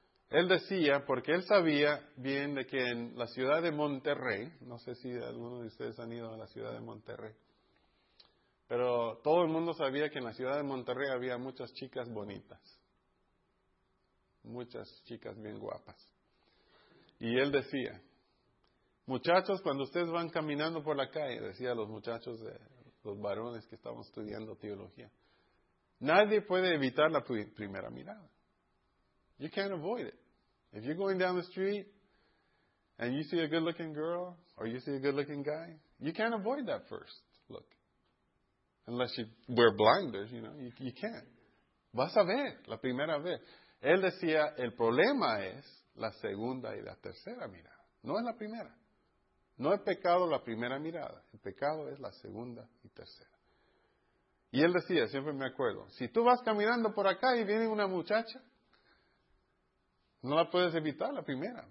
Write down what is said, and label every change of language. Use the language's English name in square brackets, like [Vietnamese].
[Spanish] Él decía, porque él sabía bien de que en la ciudad de Monterrey, no sé si alguno de ustedes han ido a la ciudad de Monterrey, pero todo el mundo sabía que en la ciudad de Monterrey había muchas chicas bonitas, muchas chicas bien guapas. Y él decía, muchachos, cuando ustedes van caminando por la calle, decía a los muchachos, de los varones que estaban estudiando teología, nadie puede evitar la primera mirada. [English] You can't avoid it. If you're going down the street and you see a good-looking girl or you see a good-looking guy, you can't avoid that first look. Unless you wear blinders, you know, you can't. [Spanish] Vas a ver la primera vez. Él decía, el problema es la segunda y la tercera mirada. No es la primera. No es pecado la primera mirada. El pecado es la segunda y tercera. Y él decía, siempre me acuerdo, si tú vas caminando por acá y viene una muchacha, no la puedes evitar la primera.